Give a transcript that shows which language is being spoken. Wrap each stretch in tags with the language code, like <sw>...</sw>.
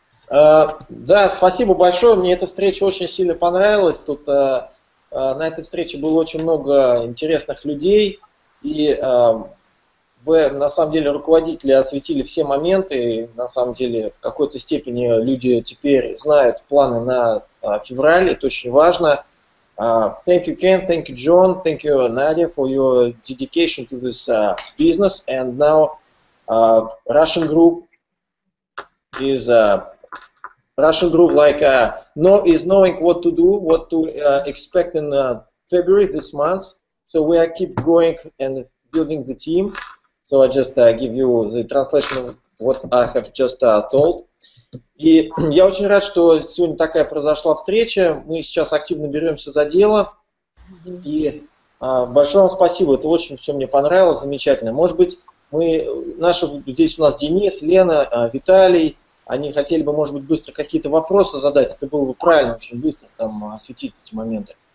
<ru>Да, спасибо большое, мне эта встреча очень сильно понравилась, тут на этой встрече было очень много интересных людей, и вы, на самом деле, руководители осветили все моменты, и, на самом деле, в какой-то степени люди теперь знают планы на февраль, это очень важно.</ru> <en>Thank you, Ken, thank you, John, thank you, Nadia, for your dedication to this business, and now Russian group is... Russian group, like, is knowing what to do, what to expect in February this month. So we are keep going and building the team. So I just give you the translation of what I have just told.</en> <ru>И я очень рад, что сегодня такая произошла встреча. Мы сейчас активно беремся за дело. И большое вам спасибо. Это очень все мне понравилось, замечательно. Может быть, мы наши здесь у нас Денис, Лена, Виталий. Они хотели бы, может быть, быстро какие-то вопросы задать. Это было бы правильно очень быстро там осветить эти моменты.</ru>